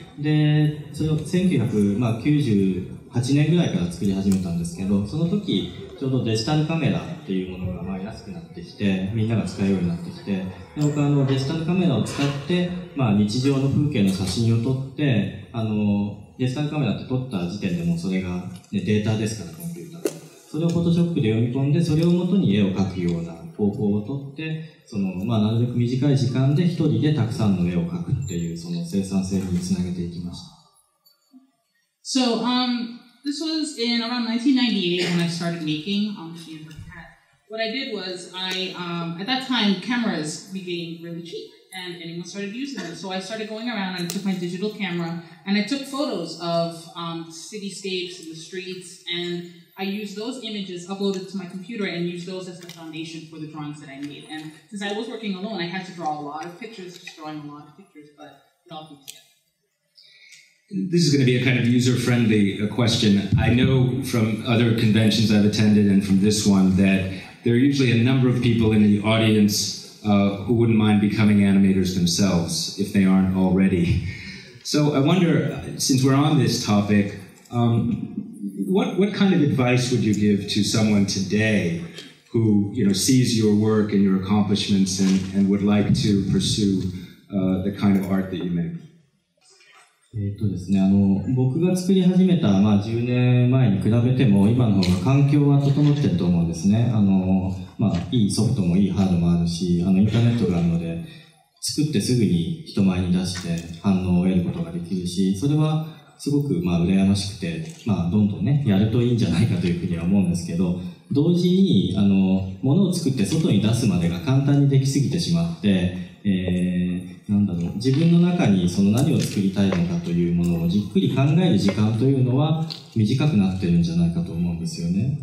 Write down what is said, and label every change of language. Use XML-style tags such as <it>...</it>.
<ja>で、それを1998年ぐらいから作り始めたんですけど、その時、ちょうどデジタルカメラっていうものが安くなってきて、みんなが使うようになってきて、で僕はデジタルカメラを使って、日常の風景の写真を撮って、デジタルカメラって撮った時点でもうそれが、ね、データですから、コンピューター。それをフォトショップで読み込んで、それをもとに絵を描くような方法をとって、その、まあ、なるべく短い時間で一人でたくさんの絵を描くっていう、その生産性につなげていきました。</ja> <en>So, this was in around 1998 when I started making Amishian Manhattan. What I did was, at that time, cameras became really cheap and anyone started using them. So I started going around and I took my digital camera and I took photos of cityscapes and the streets and I used those images, uploaded to my computer and used those as the foundation for the drawings that I made. And since I was working alone, I had to draw a lot of pictures, just drawing a lot of pictures, but it all came together. This is going to be a kind of user-friendly question. I know from other conventions I've attended and from this one that there are usually a number of people in the audience who wouldn't mind becoming animators themselves if they aren't already. So I wonder, since we're on this topic, what kind of advice would you give to someone today who sees your work and your accomplishments and would like to pursue the kind of art that you make?</en> <ja>ですね、僕が作り始めた、まあ、10年前に比べても今の方が環境は整っていると思うんですね。まあ、いいソフトもいいハードもあるし、インターネットがあるので作ってすぐに人前に出して反応を得ることができるし、それはすごく、まあ、羨ましくて、まあ、どんどんね、やるといいんじゃないかというふうには思うんですけど、同時に物を作って外に出すまでが簡単にできすぎてしまって、なんだろう、自分の中にその何を作りたいのかというものをじっくり考える時間というのは短くなってるんじゃないかと思うんですよね。</ja>